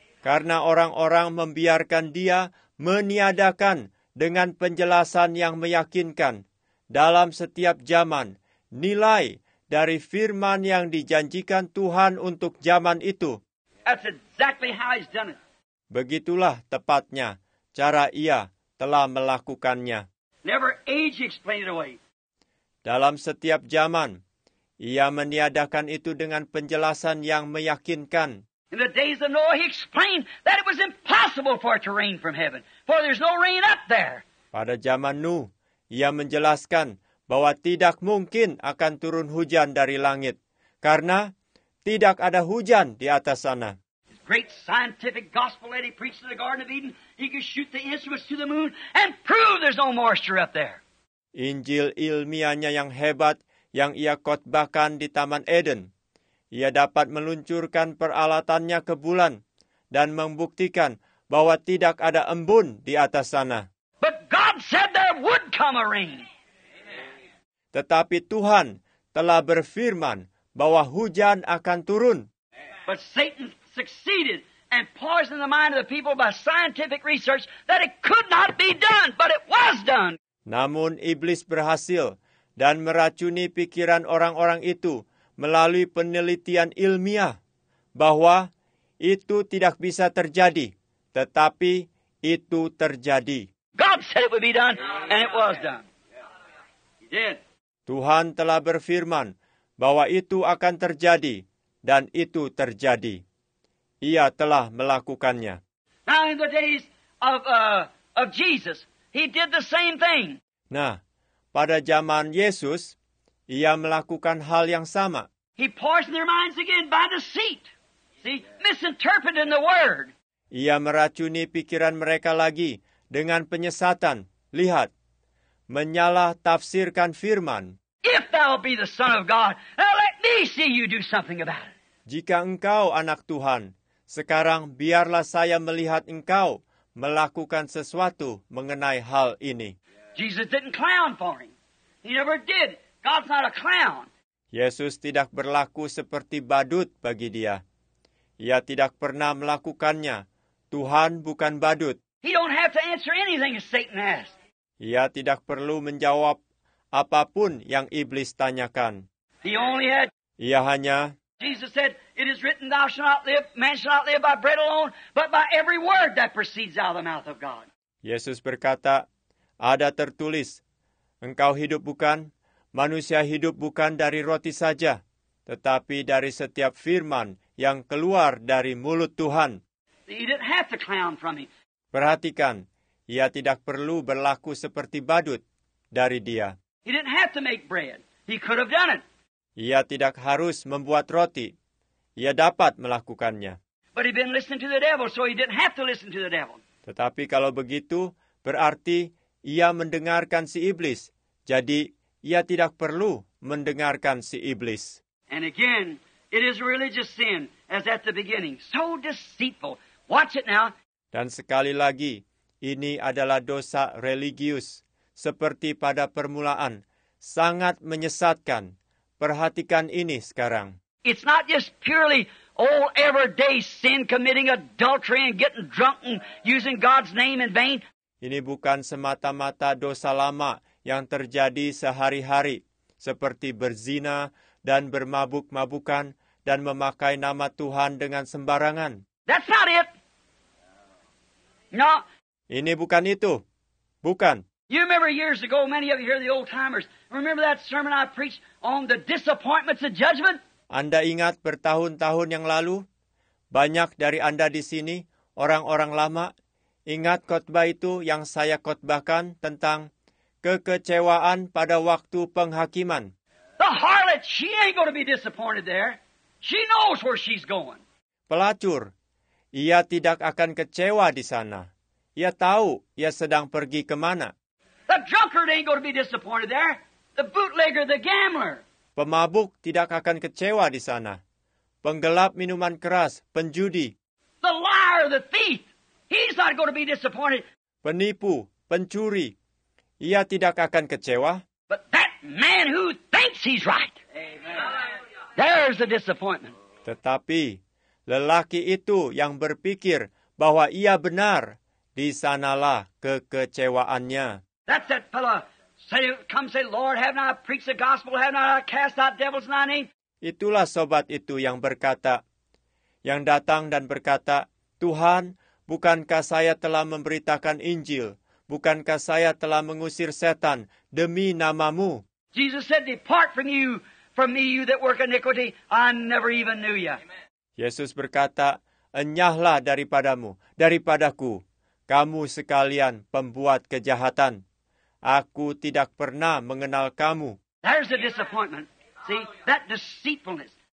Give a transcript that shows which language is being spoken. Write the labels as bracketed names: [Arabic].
[Indonesian] Karena orang-orang membiarkan dia meniadakan dengan penjelasan yang meyakinkan dalam setiap zaman nilai dari firman yang dijanjikan Tuhan untuk zaman itu. [English] That's exactly how he's done it. [Indonesian] Begitulah tepatnya cara ia telah melakukannya. [English] Never age explain it away. [Indonesian] Dalam setiap zaman, ia meniadakan itu dengan penjelasan yang meyakinkan. [English] In the days of Noah, he explained that it was impossible for it to rain from heaven, for there's no rain up there. [Indonesian] Pada zaman Nuh, ia menjelaskan bahwa tidak mungkin akan turun hujan dari langit, karena tidak ada hujan di atas sana. [English] Great scientific gospel that he preached in the Garden of Eden. He could shoot the instruments to the moon and prove there's no moisture up there. [Indonesian] Injil ilmiahnya yang hebat yang ia khotbahkan di Taman Eden. Ia dapat meluncurkan peralatannya ke bulan dan membuktikan bahwa tidak ada embun di atas sana. [English] But God said there would come a rain. [Indonesian] Tetapi Tuhan telah berfirman bahwa hujan akan turun. [English] But Satan succeeded and poisoned the mind of the people by scientific research that it could not be done, but it was done. [Indonesian] Namun iblis berhasil dan meracuni pikiran orang-orang itu melalui penelitian ilmiah bahwa itu tidak bisa terjadi, tetapi itu terjadi. [English] God said it would be done, and it was done. He did. [Indonesian] Tuhan telah berfirman bahwa itu akan terjadi, dan itu terjadi. Ia telah melakukannya. [English] Now in the days of Jesus, he did the same thing. [Indonesian] Nah, pada zaman Yesus, ia melakukan hal yang sama. [English] He poisoned their minds again by deceit. See, misinterpreting the word. [Indonesian] Ia meracuni pikiran mereka lagi dengan penyesatan. Lihat, menyalah tafsirkan firman. [English] If thou be the Son of God, let me see you do something about it. [Indonesian] Jika engkau anak Tuhan, sekarang biarlah saya melihat engkau melakukan sesuatu mengenai hal ini. [English] Jesus didn't clown for him. He never did. God's not a clown. [Indonesian] Yesus tidak berlaku seperti badut bagi dia. Ia tidak pernah melakukannya. Tuhan bukan badut. [English] He don't have to answer anything Satan asks. [Indonesian] Ia tidak perlu menjawab apapun yang iblis tanyakan. [English] He only had. [Indonesian] Ia hanya. [English] Jesus said, "It is written, Thou shalt not live; man shall not live by bread alone, but by every word that proceeds out of the mouth of God." [Indonesian] Yesus berkata, "Ada tertulis, engkau hidup bukan, manusia hidup bukan dari roti saja, tetapi dari setiap firman yang keluar dari mulut Tuhan." [English] He didn't have to clown from him. [Indonesian] Perhatikan, ia tidak perlu berlaku seperti badut dari dia. [English] He didn't have to make bread; he could have done it. [Indonesian] Ia tidak harus membuat roti. Ia dapat melakukannya. [English] But he'd been listening to the devil, so he didn't have to listen to the devil. [Indonesian] Tetapi kalau begitu, berarti ia mendengarkan si iblis. Jadi, ia tidak perlu mendengarkan si iblis. [English] And again, it is a religious sin, as at the beginning. So deceitful. Watch it now. [Indonesian] Dan sekali lagi, ini adalah dosa religius. Seperti pada permulaan, sangat menyesatkan. Perhatikan ini sekarang. [English] It's not just purely old everyday sin committing adultery and getting drunk and using God's name in vain. [Indonesian] Ini bukan semata-mata dosa lama yang terjadi sehari-hari seperti berzina dan bermabuk-mabukan dan memakai nama Tuhan dengan sembarangan. [English] That's not it. No. [Indonesian] Ini bukan itu. Bukan. [English] You remember years ago, many of you here, the old timers, remember that sermon I preached on the disappointments of judgment? [Indonesian] Anda ingat bertahun-tahun yang lalu? Banyak dari Anda di sini, orang-orang lama, ingat khotbah itu yang saya khotbahkan tentang kekecewaan pada waktu penghakiman. [English] The harlot, she ain't going to be disappointed there. She knows where she's going. [Indonesian] Pelacur, Ia tidak akan kecewa di sana. Ia tahu ia sedang pergi ke mana. [English] The drunkard ain't going to be disappointed there. The bootlegger, the gambler. [Indonesian] Pemabuk tidak akan kecewa di sana. Penggelap minuman keras, penjudi. [English] The liar, the thief. He's not going to be disappointed. [Indonesian] Penipu, pencuri. Ia tidak akan kecewa. [English] But that man who thinks he's right. Amen. There's a disappointment. [Indonesian] Tetapi lelaki itu yang berpikir bahwa ia benar, di sanalah kekecewaannya. [English] That's that fellow. Say, come say, Lord, haven't I preached the gospel? Haven't I cast out devils in thy name? [Indonesian] Itulah sobat itu yang berkata, yang datang dan berkata, Tuhan, bukankah saya telah memberitakan Injil? Bukankah saya telah mengusir setan demi namamu? [English] Jesus said, depart from you, that work iniquity. I never even knew you. [Indonesian] Yesus berkata, enyahlah daripadamu, daripadaku, kamu sekalian pembuat kejahatan. Aku tidak pernah mengenal kamu. [English] There's a disappointment. See, that deceitfulness.